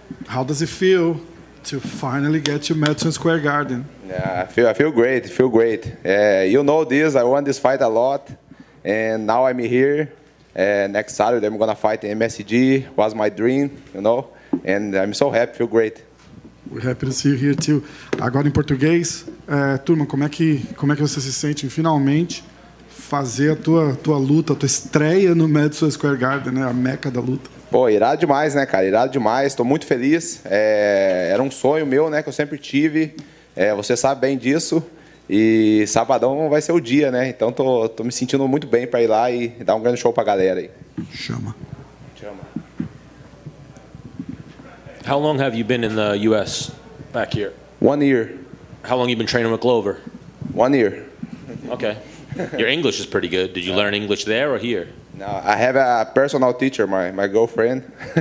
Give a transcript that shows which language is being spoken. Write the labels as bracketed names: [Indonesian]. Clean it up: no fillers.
[English] How does it feel to finally get to Madison Square Garden? Yeah, I feel great. You know this, I won this fight a lot, and now I'm here. Next Saturday, I'm going to fight the MSG. Was my dream, you know, and I'm so happy, feel great. We're happy to see you here, too. [Portuguese] Agora, em português, Turman, como é que você se sente em finalmente fazer a tua luta, a tua estreia no Madison Square Garden, né? A meca da luta? Pô, irado demais, né, cara? Irado demais. Estou muito feliz. Era um sonho meu, né, que eu sempre tive. Você sabe bem disso. E sabadão vai ser o dia, né? Então, tô me sentindo muito bem para ir lá e dar um grande show para a galera aí. Chama. [English] How long have you been in the U.S. back here? 1 year. How long have you been training with Glover? 1 year. Okay. Your English is pretty good. Did you learn English there or here? No, I have a personal teacher, my girlfriend.